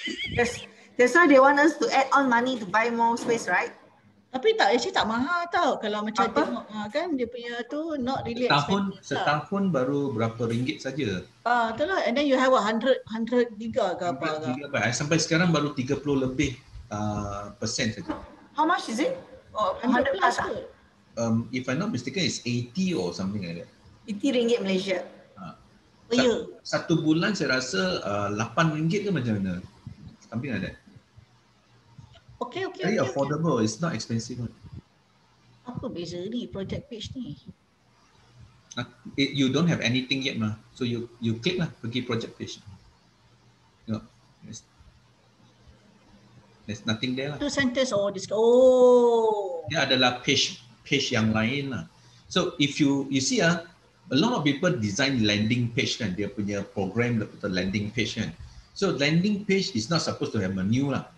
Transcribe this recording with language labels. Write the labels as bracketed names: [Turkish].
[English] Yes. That's why they want us to add on money to buy more space, right? [Malay] Tapi tak, actually tak mahal tau kalau macam apa? Tengok kan dia punya tu [English] not really expensive. [Malay] Setahun tak. Baru berapa ringgit saja. [English] Itulah, and then you have 100 giga [Malay] ke apa ke? Sampai sekarang baru 30 lebih persen saja. [English] How much is it? Oh, 100 plus [Malay] ke? [English] If I'm not mistaken, it's 80 or something like that. [Malay] 80 ringgit Malaysia. Satu bulan saya rasa 8 ringgit ke macam mana? [English] Something like that. Okay. Very affordable. Okay. It's not expensive. [Malay] Apa beza ni project page ni? [English] You don't have anything yet mah. So you click lah [Malay] pergi project page. Tengok. [English] There's nothing there lah. Two sentence or this. Oh. [Malay] Dia adalah page yang lain lah. [English] So if you see a lot of people design landing page kan. [Malay] Dia punya program [English] the landing page kan. So landing page is not supposed to have menu lah.